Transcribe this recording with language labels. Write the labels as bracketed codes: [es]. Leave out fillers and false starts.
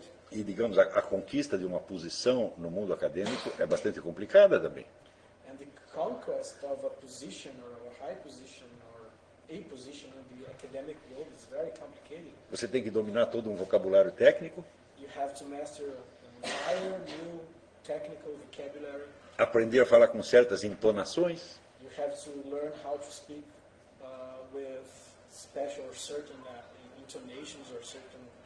[pt] E, digamos, a conquista de uma posição no mundo acadêmico é bastante complicada também. [en] And the conquest of a position or a high position or a position in the academic world is very complicated. [pt] Você tem que dominar todo um vocabulário técnico. [en] You have to master a higher, new technical vocabulary. [pt] Aprender a falar com certas entonações. [en] You have to learn how to speak with special or certain intonations or certain